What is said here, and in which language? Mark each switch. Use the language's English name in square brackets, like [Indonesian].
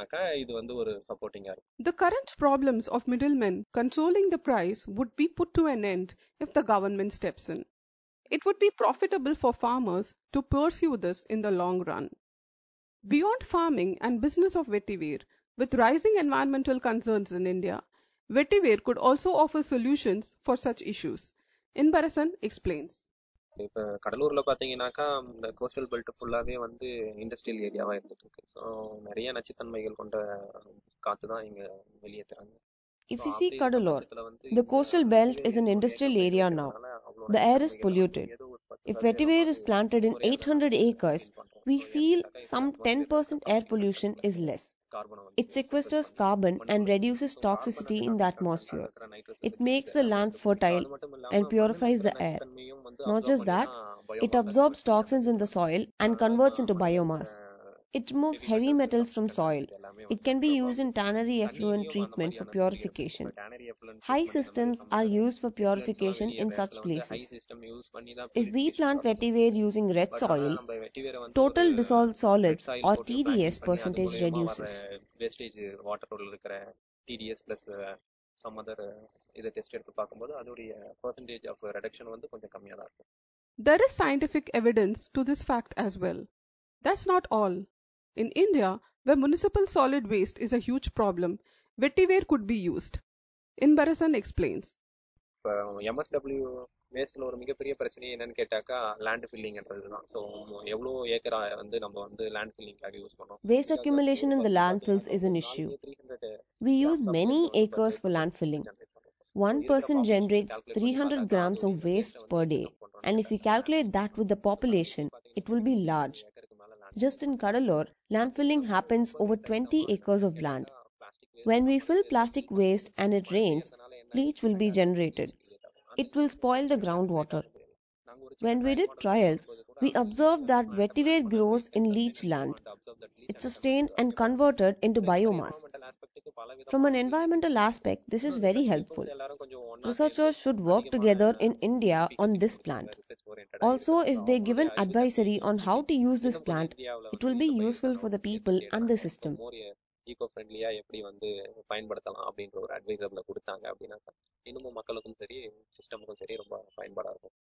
[English] The current problems of middlemen controlling the price would be put to an end if the government steps in. It would be profitable for farmers to pursue this in the long run. Beyond farming and business of vetiver, with rising environmental concerns in India, vetiver could also offer solutions for such issues. Inbarasan explains. [Tamil] இப்ப கடலூர்ல பாத்தீங்கன்னாக்கா இந்த coastal belt ஃபுல்லாவே வந்து industrial ஏரியாவா இருந்துட்டு இருக்கு. So நிறைய நச்சுத்தன்மைகள் கொண்ட காத்துதான் இங்க வெளியேத்துறாங்க. [English] If you see Kadalur, the coastal belt is an industrial area now. The air is polluted. If vetiver is planted in 800 acres, we feel some 10% air pollution is less. It sequesters carbon and reduces toxicity in the atmosphere. It makes the land fertile and purifies the air. Not just that, it absorbs toxins in the soil and converts into biomass. It removes heavy metals from soil. It can be used in tannery effluent treatment for purification. High systems are used for purification in such places. If we plant vetiver using red soil, total dissolved solids or TDS percentage reduces. Wastage water TDS plus some other test [Tamil] எடுத்து பாக்கும்போது அதுடைய [English] percentage of reduction [Tamil] வந்து கொஞ்சம் கம்மியா தான் இருக்கும். [English] There is scientific evidence to this fact as well. That's not all. In India, where municipal solid waste is a huge problem, vetiver could be used. Inbarasan explains. [Tamil] MSW waste-ல ஒரு மிகப்பெரிய பிரச்சனை என்னன்னு கேட்டாக்கா லேண்ட் ஃபில்லிங்ன்றதுதான். சோ எவ்வளவு acre வந்து நம்ம வந்து land ஃபில்லிங்காக use பண்றோம். [English] Waste accumulation in the landfills is an issue. We use many acres for land filling. One person generates 300 grams of waste per day. And if we calculate that with the population, it will be large. Just in Kadalur, landfilling happens over 20 acres of land. When we fill plastic waste and it rains, bleach will be generated. It will spoil the groundwater. When we did trials, we observed that vetiver grows in leach land. It's sustained and converted into biomass. From an environmental aspect, this is very helpful. Researchers should work together in India on this plant. Also, if they give an advisory on how to use this plant, it will be useful for the people and the system. [Tamil] ஈகோ-ஃப்ரெண்ட்லியா எப்படி வந்து பயன்படுத்தலாம் அப்படின்ற ஒரு advisable கொடுத்தாங்க அப்படின்னா இன்னமும் மக்களுக்கும் சரி சிஸ்டமுக்கும் சரி ரொம்ப பயன்பாடா இருக்கும்.